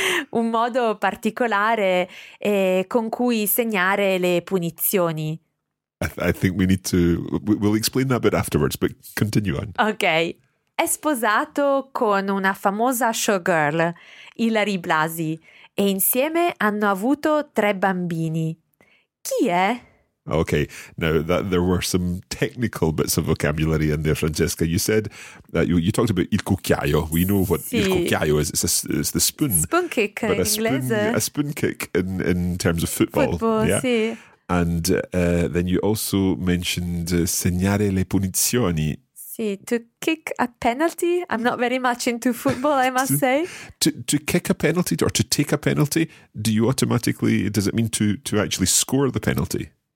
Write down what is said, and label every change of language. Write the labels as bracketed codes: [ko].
[it] Un modo particolare con cui segnare le punizioni. [en] I think we need to... We'll explain that a bit afterwards, but continue on. [it] Ok. È sposato con una famosa showgirl, Hilary Blasi, e insieme hanno avuto tre bambini. Chi è? Ok. [en] Now, that, there were some technical bits of vocabulary in there, Francesca. You said... You talked about [it] il cucchiaio. [en] We know what [it] sì. il cucchiaio [en] is. It's the spoon. Spoon kick but [it] in inglese. [en] A spoon kick in terms of football. Football, yeah? [it] Sì. [en] And then you also mentioned [it] segnare le punizioni. Sì, [en] to kick a penalty. I'm not very much into football, I must say. To kick a penalty or to take a penalty, do you automatically... Does it mean to actually score the penalty?